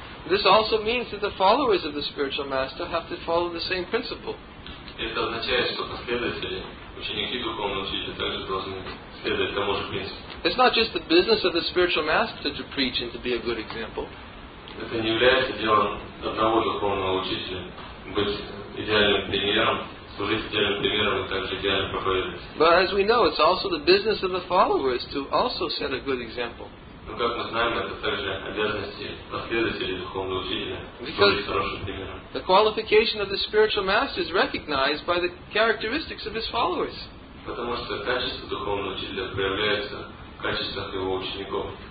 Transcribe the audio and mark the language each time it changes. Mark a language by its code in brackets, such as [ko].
[en] This also means that the followers of the spiritual master have to follow the same principle. [ru] Это означает, что последователи, ученики духовного учителя, также должны следовать тому же принципу. [en] It's not just the business of the spiritual master to preach and to be a good example. [ru] Это не является делом одного духовного учителя быть идеальным примером, служить идеальным примером и также идеальным проповедником. [en] But as we know, it's also the business of the followers to also set a good example. [ru] Но как мы знаем, это также обязанности последователей духовного учителя служить хорошим примером. [en] The qualification of the spiritual master is recognized by the characteristics of his followers. [ru] Потому что качество духовного учителя проявляется в качествах его учеников.